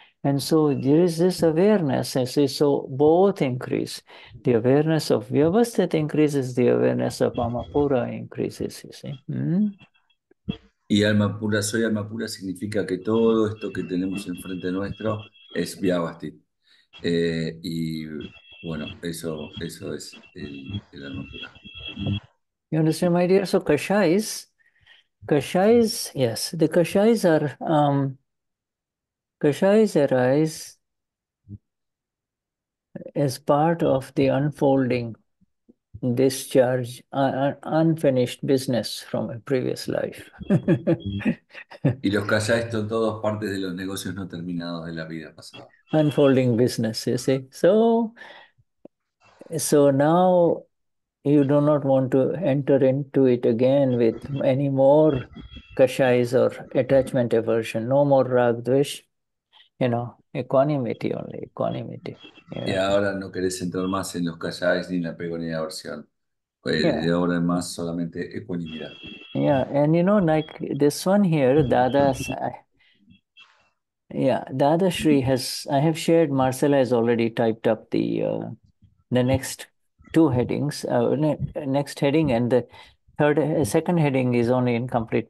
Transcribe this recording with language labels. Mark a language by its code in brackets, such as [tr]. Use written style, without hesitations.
[en] And so there is this awareness, I say, so both increase. The awareness of Vyavasthita increases, the awareness of Amapura increases, you see. [es] Y alma pura, soy alma pura, significa que todo esto que tenemos enfrente nuestro es Vyavasthita. Y bueno, eso es el alma pura. [en] You understand, my dear? So kashais, yes, the kashais are... Kashais arise as part of the unfolding, discharge, unfinished business from a previous life. [es] Y los kashais son todos partes de los negocios no terminados de la vida pasada. [en] Unfolding business, you see. So now you do not want to enter into it again with any more kashais or attachment aversion, no more rag dvesh. You know, equanimity only, equanimity. [es] Y ahora no querés entrar más en los kashais ni en la apego ni la aversión. De ahora en más solamente equanimidad. [en] Yeah, and you know, like this one here, Dadashri has, I have shared, Marcella has already typed up the next two headings, next heading, and the third, second heading is only incomplete.